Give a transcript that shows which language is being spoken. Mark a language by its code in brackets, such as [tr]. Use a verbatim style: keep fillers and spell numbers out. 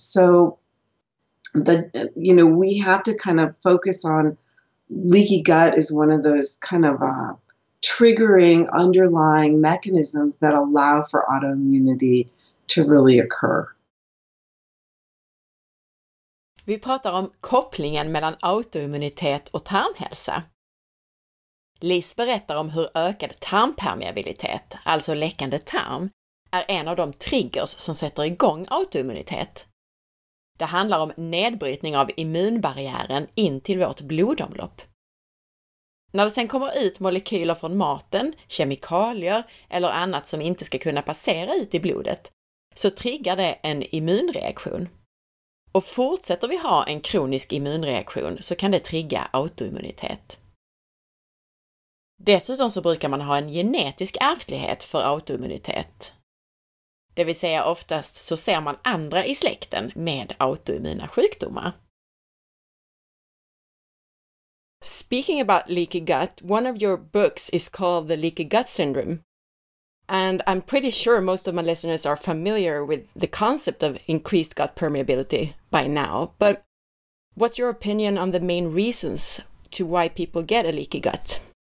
[en] So, the you know, we have to kind of focus on leaky gut is one of those kind of uh, triggering underlying mechanisms that allow for autoimmunity to really occur. [sv] Vi pratar om kopplingen mellan autoimmunitet och tarmhälsa. Liz berättar om hur ökad tarmpermeabilitet, alltså läckande tarm, är en av de triggers som sätter igång autoimmunitet. Det handlar om nedbrytning av immunbarriären in till vårt blodomlopp. När det sen kommer ut molekyler från maten, kemikalier eller annat som inte ska kunna passera ut i blodet, så triggar det en immunreaktion. Och fortsätter vi ha en kronisk immunreaktion så kan det trigga autoimmunitet. Dessutom så brukar man ha en genetisk ärftlighet för autoimmunitet. Det vill säga oftast så ser man andra i släkten med autoimmuna sjukdomar. [en] Speaking about leaky gut, one of your books is called The Leaky Gut Syndrome. And I'm pretty sure most of my listeners are familiar with the concept of increased gut permeability by now. But what's your opinion on the main reasons to why people get a leaky gut?